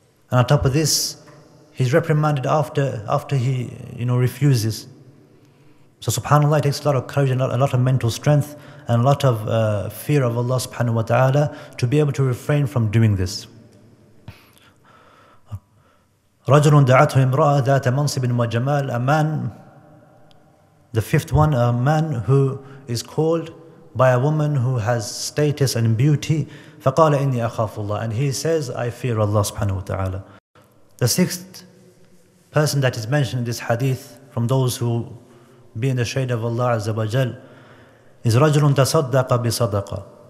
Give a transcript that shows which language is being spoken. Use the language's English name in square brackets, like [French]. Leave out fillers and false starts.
[English] And on top of this, he's reprimanded after he, you know, refuses. So subhanAllah, it takes a lot of courage and a lot of mental strength and a lot of fear of Allah subhanahu wa ta'ala to be able to refrain from doing this. [Arabic] رجل دعته امرأة ذات منصب وجمال. [English] A man, the fifth one, a man who is called by a woman who has status and beauty. [Arabic] فقال إني أخاف الله. [English] And he says, I fear Allah subhanahu wa ta'ala. The sixth person that is mentioned in this hadith from those who be in the shade of Allah Azza wa Jal is [Arabic] رجل تصدق بصدقة.